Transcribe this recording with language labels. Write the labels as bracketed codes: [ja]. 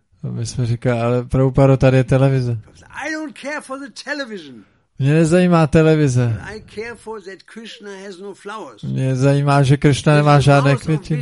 [cs] My jsme říkali, ale Prabhupada, tady je televize. [en] I don't care for the television. [cs] Mě nezajímá televize. [en] I care for that Krishna has no flowers. [cs] Mě zajímá, že Krishna nemá žádné květiny.